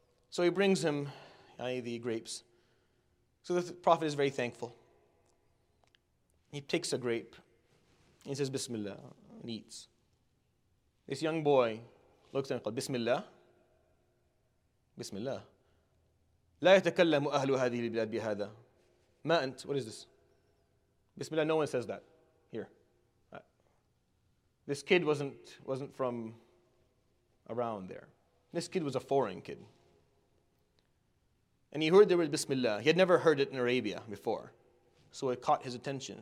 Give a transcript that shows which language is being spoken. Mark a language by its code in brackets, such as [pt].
[en] So he brings him, i.e. the grapes. So the Prophet is very thankful. He takes a grape and says, Bismillah, and eats. This young boy looks at him and calls, Bismillah. Bismillah. [ar] لا يتكلم أهل هذه البلاد بهذا. ما أنت, [en] what is this? Bismillah, no one says that here. This kid wasn't from around there. This kid was a foreign kid. And he heard the word Bismillah. He had never heard it in Arabia before. So it caught his attention.